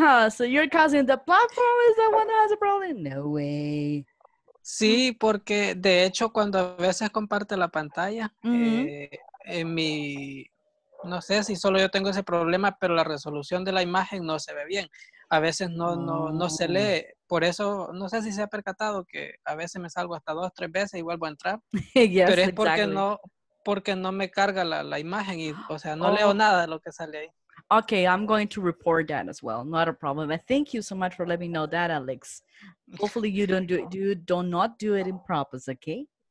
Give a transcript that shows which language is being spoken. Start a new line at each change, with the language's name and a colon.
English: So you're causing the platform is the one that has a problem? No way.
Spanish: Sí, porque de hecho cuando a veces comparte la pantalla, en mi, no sé si solo yo tengo ese problema, pero la resolución de la imagen no se ve bien. A veces no se lee. Por eso, no sé si se ha percatado que a veces me salgo hasta dos, tres veces y vuelvo a entrar.
English: Yes,
Spanish: pero es porque
English: exactly.
Spanish: Porque no me carga la imagen y, o sea, no leo nada de lo que sale ahí.
English: Okay, I'm going to report that as well. Not a problem. But thank you so much for letting me know that, Alex. Hopefully you don't do it in purpose, okay?